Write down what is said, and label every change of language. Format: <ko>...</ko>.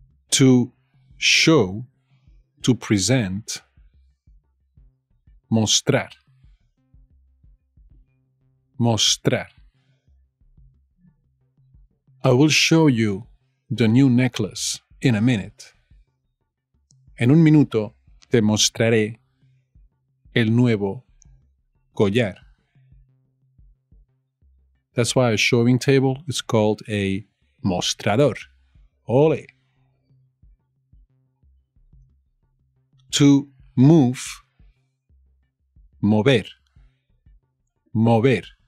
<en>To show, to present,</en> <es>mostrar, mostrar.</es> <en>I will show you the new necklace in a minute.</en> <es>En un minuto te mostraré el nuevo collar.</es> <en>That's why a showing table is called a mostrador.</en> <es>Ole.</es> <en>To move,</en> <es>mover, mover.</es>